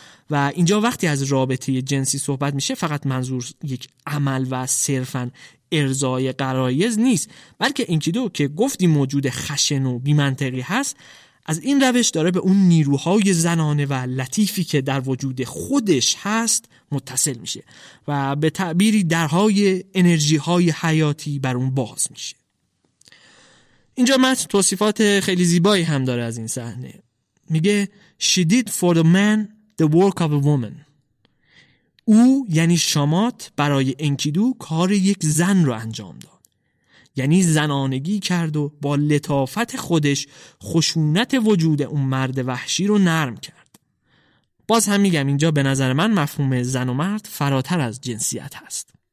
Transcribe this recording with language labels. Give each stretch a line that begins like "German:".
Persian: و اینجا وقتی از رابطه جنسی صحبت میشه فقط منظور یک عمل و صرفاً ارضای غرایز نیست، بلکه انکیدو که گفتی موجود خشن و بیمنطقی هست، از این روش داره به اون نیروهای زنانه و لطیفی که در وجود خودش هست متصل میشه و به تعبیری درهای انرژیهای حیاتی بر اون باز میشه. اینجا متن توصیفات خیلی زیبایی هم داره از این صحنه. میگه
English: She did for the man The work of a woman.
Persian: او یعنی شامات برای انکیدو کار یک زن رو انجام داد، یعنی زنانگی کرد و با لطافت خودش خشونت وجود اون مرد وحشی رو نرم کرد. باز هم میگم اینجا به نظر من مفهوم زن و مرد فراتر از جنسیت هست.